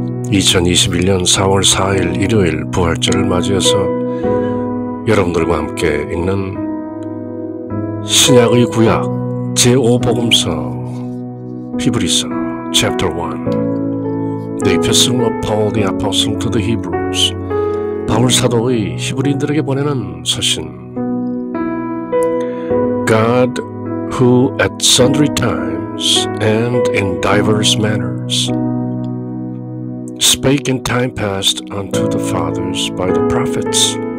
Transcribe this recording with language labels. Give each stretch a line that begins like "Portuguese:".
Korean: 2021년 4월 4일 일요일 부활절을 맞이해서 여러분들과 함께 읽는 신약의 구약 제5복음서 히브리서 chapter 1.
English: The Epistle of Paul the Apostle to the Hebrews.
Korean: 바울 사도의 히브리인들에게 보내는 서신.
English: God who at sundry times and in diverse manners spake in time past unto the fathers by the prophets.